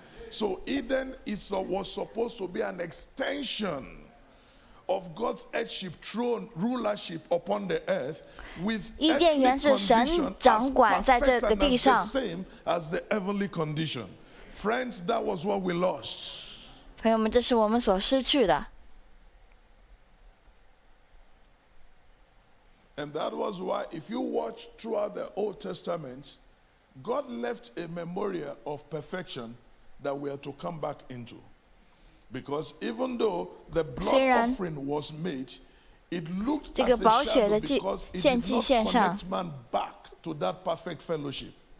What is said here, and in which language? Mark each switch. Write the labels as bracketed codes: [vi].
[en] So Eden was supposed to be an extension of God's headship, throne, rulership upon the earth with earthly condition as perfect and as the same as the heavenly condition. Friends, that was what we lost. [zh] 朋友们，这是我们所失去的。 [en] And that was why, if you watch throughout the Old Testament, God left a memorial of perfection that we are to come back into. Because even though the blood offering was made, it looked as a shadow because it did not connect man back to that perfect fellowship.